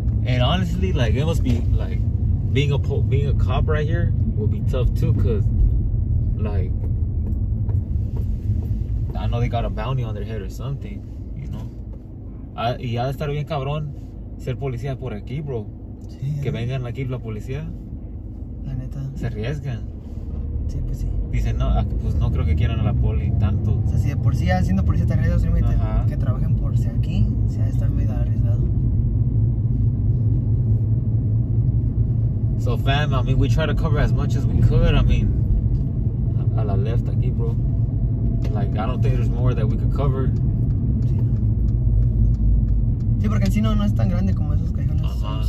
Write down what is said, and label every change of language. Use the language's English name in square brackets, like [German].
[English] And honestly, like, it must be, like, being a cop right here will be tough, too, because, like, I know they got a bounty on their head or something, you know? [Spanish] Y ya de estar bien cabrón ser policía por aquí, bro. Sí, que vengan aquí la policía. La neta. Se arriesgan. Sí, pues sí. Dicen, no, pues no creo que quieran a la poli tanto. O sea, si de por sí, haciendo policía te arriesgas, límite. Que trabajen por si aquí, se ha de estar medio arriesgado. [English] So, fam, I mean, we try to cover as much as we could. I mean, [Spanish] a la [English] left [Spanish] aquí, [English] bro. Like, I don't think there's more that we could cover. [Spanish] Sí, porque el chino no es tan grande como esos callejones.